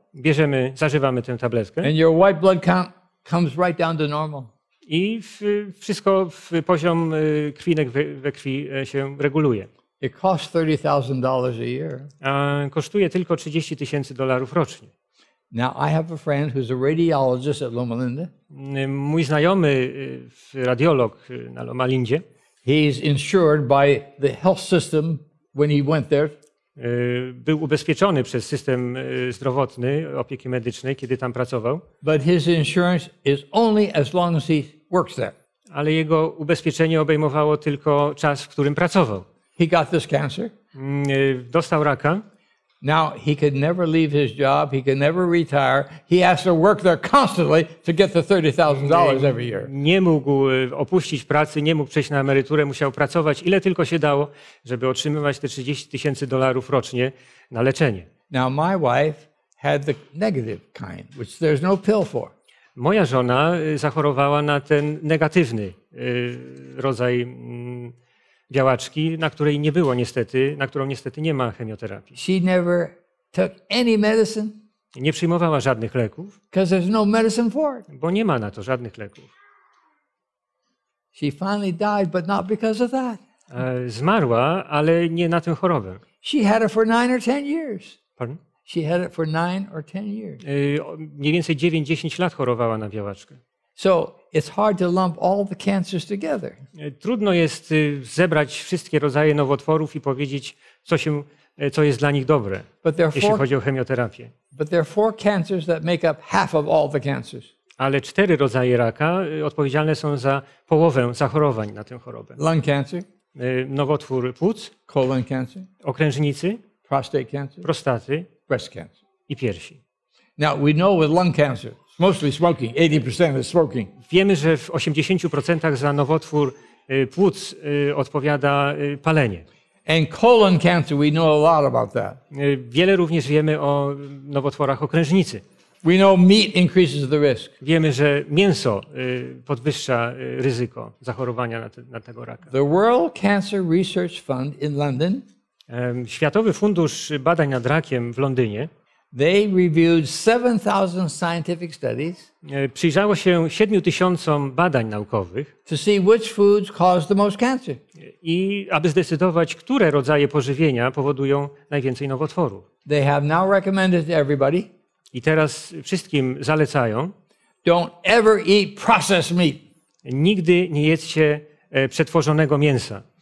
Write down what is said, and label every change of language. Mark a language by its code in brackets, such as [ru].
[pl] bierzemy, zażywamy tę tabletkę. [en] And your white blood count comes right down to normal. [pl] I wszystko, w poziom krwi we krwi się reguluje. [en] It costs $30,000 a year. [pl] A kosztuje tylko $30,000 rocznie. [en] Now I have a friend who's a radiologist at Loma Linda. [pl] Mój znajomy, radiolog na Loma Lindzie. [en] He's insured by the health system when he went there. [pl] Był ubezpieczony przez system zdrowotny, opieki medycznej, kiedy tam pracował. [en] But his insurance is only as long as he works there. [pl] Ale jego ubezpieczenie obejmowało tylko czas, w którym pracował. [en] He got this cancer. [pl] Dostał raka. [en] Now he could never leave his job, he could never retire. He has to work there constantly to get the $30,000 every year. [pl] Nie mógł opuścić pracy, nie mógł przejść na emeryturę, musiał pracować ile tylko się dało, żeby otrzymywać te $30,000 rocznie na leczenie. [en] Now my wife had the negative kind, which there's no pill for. [pl] Moja żona zachorowała na ten negatywny rodzaj białaczki, na której nie było niestety, na którą niestety nie ma chemioterapii. [en] She never took any medicine. [pl] Nie przyjmowała żadnych leków. [en] Because there's no medicine for it. [pl] Bo nie ma na to żadnych leków. [en] She finally died, but not because of that. [pl] Zmarła, ale nie na tę chorobę. [en] She had it for 9 or 10 years. Pardon? She had it for 9 or 10 years. [pl] Mniej więcej 9-10 lat chorowała na białaczkę. [en] So it's hard to lump all the cancers together. [pl] Trudno jest zebrać wszystkie rodzaje nowotworów i powiedzieć, co jest dla nich dobre, jeśli chodzi o chemioterapię. [en] But there are 4 cancers that make up half of all the cancers. [pl] Ale 4 rodzaje raka odpowiedzialne są za połowę zachorowań na tę chorobę. [en] Lung cancer. [pl] Nowotwór płuc. [en] Colon cancer. [pl] Okrężnicy. [en] Prostate cancer. [pl] Prostaty. [en] Breast cancer. [pl] I piersi. [en] Now we know with lung cancer. Mostly smoking. 80% is smoking. [pl] Wiemy, że w 80% za nowotwór płuc odpowiada palenie. [en] And colon cancer, we know a lot about that. [pl] Wiele również wiemy o nowotworach okrężnicy. [en] We know meat increases the risk. [pl] Wiemy, że mięso podwyższa ryzyko zachorowania na tego raka. [en] The World Cancer Research Fund in London. [pl] Światowy Fundusz Badań nad Rakiem w Londynie. [en] They reviewed 7,000 scientific studies. [pl] Przyjrzało się 7,000 badań naukowych. [en] To see which foods cause the most cancer. [pl] I aby zdecydować, które rodzaje pożywienia powodują najwięcej nowotworów. [en] They have now recommended to everybody. [pl] I teraz wszystkim zalecają. [en] Don't ever eat processed meat. [pl] Nigdy nie jedzcie przetworzonego mięsa.